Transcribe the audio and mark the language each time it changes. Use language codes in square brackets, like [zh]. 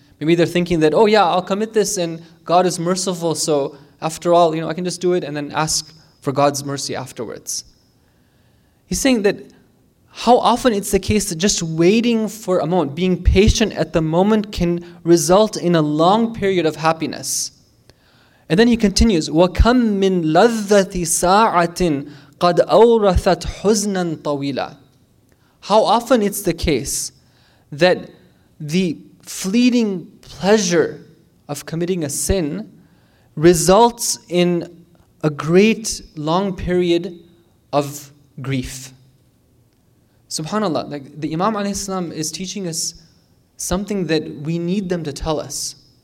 [en] Maybe they're thinking that, oh yeah, I'll commit this and God is merciful. So after all, you know, I can just do it and then ask for God's mercy afterwards. He's saying that how often it's the case that just waiting for a moment, being patient at the moment, can result in a long period of happiness. And then he continues, [ar] وَكَمْ مِنْ لَذَّةِ سَاعَةٍ قَدْ أَوْرَثَتْ حُزْنًا طَوِيلًا. [en] How often it's the case that the fleeting pleasure of committing a sin results in a great long period of grief. SubhanAllah, like the Imam alayhi salam is teaching us something that we need them to tell us.